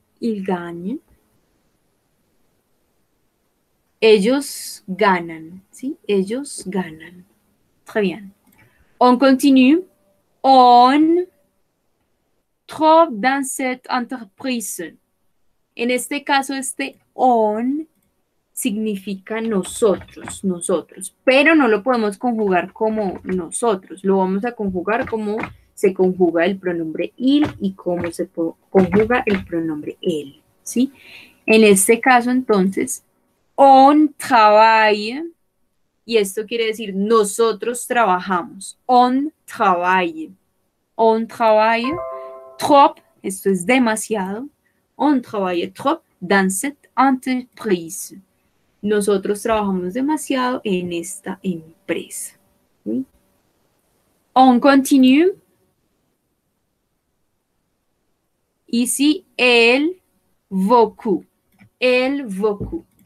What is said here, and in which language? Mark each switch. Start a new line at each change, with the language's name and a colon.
French: Il gagne.
Spanish: Ellos ganan. Sí, ellos ganan.
French: Très bien. On continue. On trouve dans cette entreprise.
Spanish: En este caso, este on significa nosotros, pero no lo podemos conjugar como nosotros, lo vamos a conjugar como se conjuga el pronombre il y como se conjuga el pronombre él, ¿sí? En este caso, entonces,
French: on travaille,
Spanish: Y esto quiere decir nosotros trabajamos.
French: On travaille. On travaille. Trop.
Spanish: Esto es demasiado.
French: On travaille trop dans cette entreprise.
Spanish: Nosotros trabajamos demasiado en esta empresa. ¿Sí?
French: On continue. Ici, elle, beaucoup. Elle, beaucoup.